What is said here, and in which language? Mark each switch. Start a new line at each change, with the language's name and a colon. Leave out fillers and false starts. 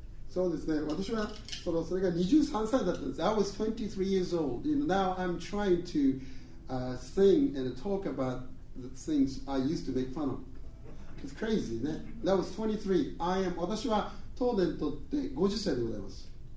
Japanese: そうですね。私はそれが23歳だったんです。
English: I was 23 years old. You know, now I'm trying to sing and talk about the things I used to make fun of. It's crazy, ね。That was 23.
Japanese: 私は当年とって50歳でございます。